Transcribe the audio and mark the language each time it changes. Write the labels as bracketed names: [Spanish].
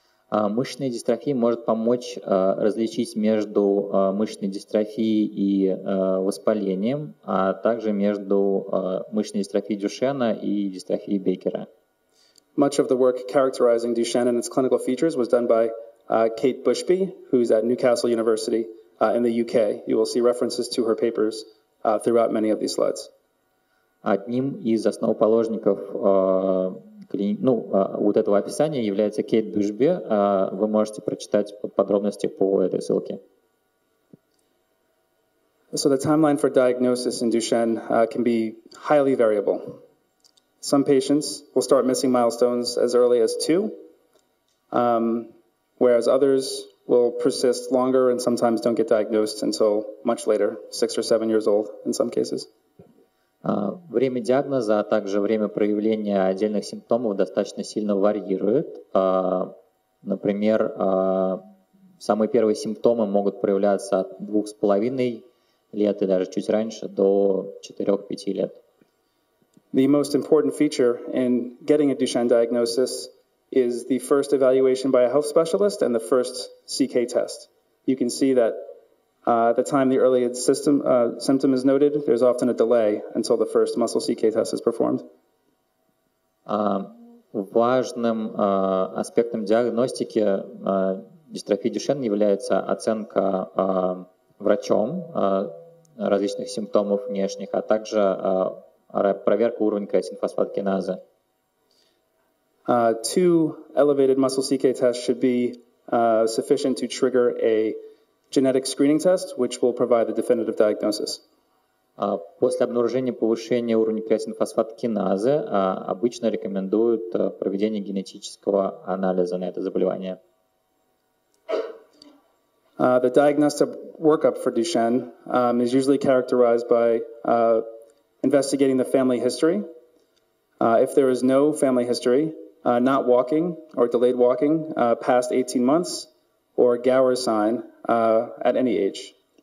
[Russian] Мышечная дистрофия может помочь различить между мышечной дистрофией и воспалением, а также между мышечной дистрофией Дюшена и дистрофией Бейкера. [English] Much of the work characterizing Duchenne and its clinical features was done by Kate Bushby, who's at Newcastle University in the UK. You will see references to her papers throughout many of these slides. [Russian] Одним из основоположников вот этого описания является Кейт Бюшбе. Вы можете прочитать подробности по этой ссылке. [English] So the timeline for diagnosis in Duchenne can be highly variable. Some patients will start missing milestones as early as 2, whereas others will persist longer and sometimes don't get diagnosed until much later, 6 or 7 years old in some cases. [Russian] Время диагноза, а также время проявления отдельных симптомов достаточно сильно варьирует. Например, самые первые симптомы могут проявляться от 2,5 лет и даже чуть раньше, до 4-5 лет. [English] The most important feature in getting a Duchenne diagnosis is the first evaluation by a health specialist and the first CK test. You can see that at the time the earliest symptom is noted, there's often a delay until the first muscle CK test is performed. [Russian] Важным аспектом диагностики дистрофии Дюшен является оценка врачом различных симптомов внешних, а также проверка уровня креатинфосфаткиназы. [English] Two elevated muscle CK tests should be sufficient to trigger a genetic screening test, which will provide the definitive diagnosis. [Russian] После обнаружения повышения уровня креатинфосфаткиназы обычно рекомендуют проведение генетического анализа на это заболевание. [English] The diagnostic workup for Duchenne is usually characterized by investigating the family history. If there is no family history, not walking or delayed walking past 18 months, or Gower sign at any age.